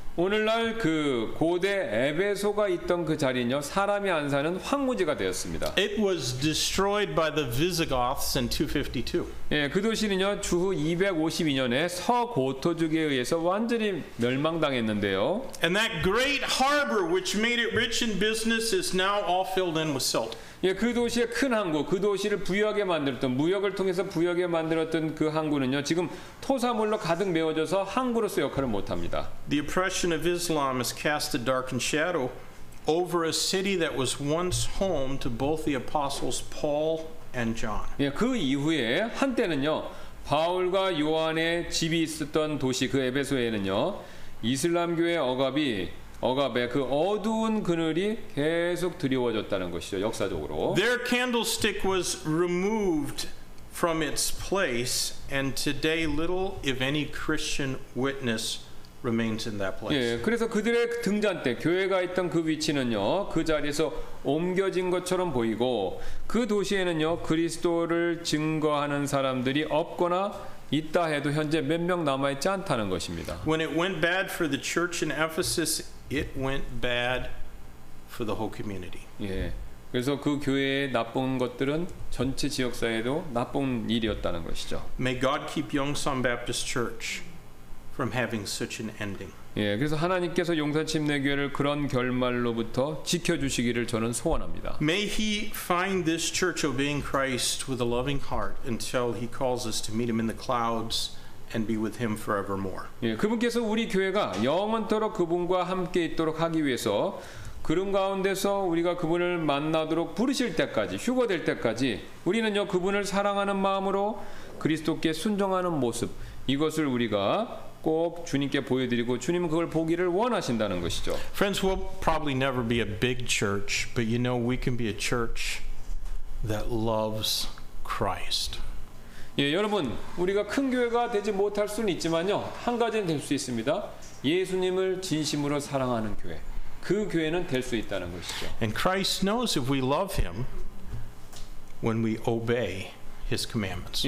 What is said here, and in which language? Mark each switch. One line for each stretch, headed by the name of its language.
Korean: 오늘날 그 고대 에베소가 있던 그 자리는요, 사람이 안 사는 황무지가 되었습니다.
English: It was destroyed by the Visigoths in 252.
Korean: 예, 그 도시는요, 주후 252년에 서고토족에 의해서 완전히 멸망당했는데요.
English: And that great harbor which made it rich in business is now all filled in with silt.
Korean: 예, 그 도시의 큰 항구, 그 도시를 부유하게 만들었던 무역을 통해서 부유하게 만들었던 그 항구는요, 지금 토사물로 가득 메워져서 항구로서 역할을 못 합니다.
English: The oppression of Islam has cast a darkened shadow over a city that was once home to both the apostles Paul and John.
Korean: 예, 그 이후에 한때는요, 바울과 요한의 집이 있었던 도시 그 에베소에는요, 이슬람교의 억압이 억압의 그 어두운 그늘이 계속 드리워졌다는 것이죠 역사적으로.
English: Their candlestick was removed from its place, and today little, if any, Christian witness remains in that place.
Korean: 예, 그래서 그들의 등잔대, 교회가 있던 그 위치는요 그 자리에서 옮겨진 것처럼 보이고 그 도시에는요 그리스도를 증거하는 사람들이 없거나. 있다 해도 현재 몇 명 남아 있지 않다는 것입니다.
English: When it went bad for the church in Ephesus, it went bad for the whole community.
Korean: 예. 그래서 그 교회의 나쁜 것들은 전체 지역 사회에도 나쁜 일이었다는 것이죠.
English: May God keep Yongsan Baptist Church from having such an ending.
Korean: 예. 그래서 하나님께서 용산 침례교회를 그런 결말로부터 지켜 주시기를 저는 소원합니다.
English: May he find this church obeying Christ with a loving heart until he calls us to meet him in the clouds and be with him forevermore.
Korean: 예. 그분께서 우리 교회가 영원토록 그분과 함께 있도록 하기 위해서 구름 가운데서 우리가 그분을 만나도록 부르실 때까지 휴거될 때까지 우리는요 그분을 사랑하는 마음으로 그리스도께 순종하는 모습 이것을 우리가 꼭 주님께 보여드리고 주님은 그걸 보기를 원하신다는 것이죠.
English: Friends, we'll probably never be a big church, but you know we can be a church that loves Christ.
Korean: 예, 여러분, 우리가 큰 교회가 되지 못할 수는 있지만요, 한 가지는 될 수 있습니다. 예수님을 진심으로 사랑하는 교회, 그 교회는 될 수 있다는 것이죠.
English: And Christ knows if we love Him when we obey. His commandments.